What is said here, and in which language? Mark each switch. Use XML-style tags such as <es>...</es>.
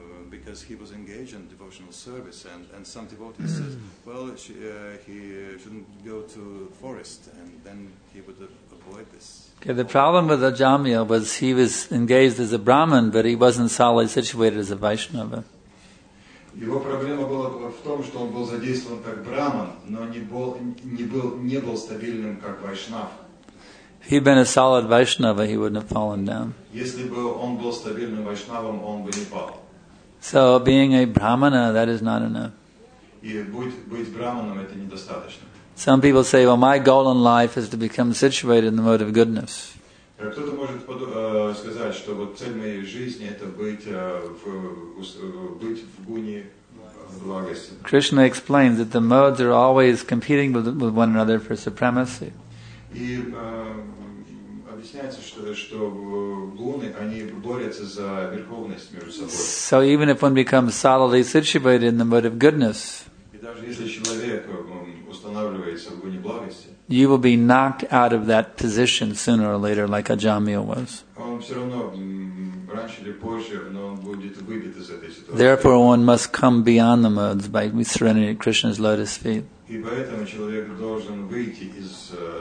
<en>Because he was engaged in devotional service, and some devotees mm-hmm. says, well, he shouldn't go to the forest, and then he would avoid this. Okay, the problem with Ajamil was he was engaged as a Brahmin, but he wasn't solidly situated as a Vaishnava.</en> <ru>Его проблема была в том, что он был задействован как браман, но не был стабильным как вайшнав.</ru> <en>He'd been a solid Vaishnava, he wouldn't have fallen down.</en> <ru>Если бы он был стабильным вайшнавом, он бы не пал.</ru> <en>So being a brahmana, that is not enough.</en> <ru>И быть браманом это недостаточно.</ru> <en>Some people say, well, my goal in life is to become situated in the mode of goodness.</en> <ru>Кто-то может сказать, что вот цель моей жизни это быть в гуне благости.</ru> <en>Krishna explains that the modes are always competing with one another for supremacy.</en> <ru>И объясняется, что гуны они борются за верховность между собой.</ru> <en>So even if one becomes solidly situated in the mode of goodness,</en> <ru>и даже если человек устанавливается в гуне благости,</ru> <en>you will be knocked out of that position sooner or later, like Ajamiya was.</en> <ru>Он все равно раньше или позже, но он будет выбит из этой ситуации.</ru> <en>Therefore, one must come beyond the modes by surrendering at Krishna's lotus feet.</en> <ru>И поэтому человек должен выйти из</ru>